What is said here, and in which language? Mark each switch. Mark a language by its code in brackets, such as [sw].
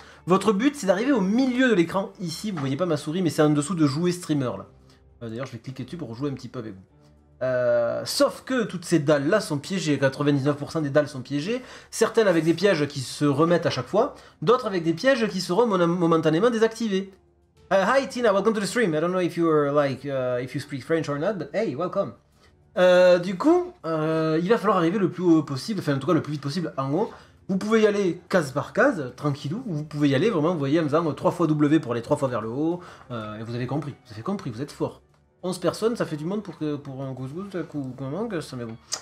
[fr] Votre but, c'est d'arriver au milieu de l'écran. Ici, vous voyez pas ma souris, mais c'est en dessous de jouer streamer. Là. D'ailleurs, je vais cliquer dessus pour jouer un petit peu avec vous. Sauf que toutes ces dalles-là sont piégées, 99% des dalles sont piégées, certaines avec des pièges qui se remettent à chaque fois, d'autres avec des pièges qui seront momentanément désactivés. [en] Hi Tina, welcome to the stream, I don't know if you are like, if you speak French or not, but hey, welcome. [fr] Du coup, il va falloir arriver le plus haut possible, enfin en tout cas le plus vite possible en haut. Vous pouvez y aller case par case, tranquillou, ou vous pouvez y aller vraiment, vous voyez, en faisant 3 fois W pour aller 3 fois vers le haut, et vous avez compris, vous êtes fort. 11 personnes, ça fait du monde pour un goose-goose, un coup, comment que ça, mais bon.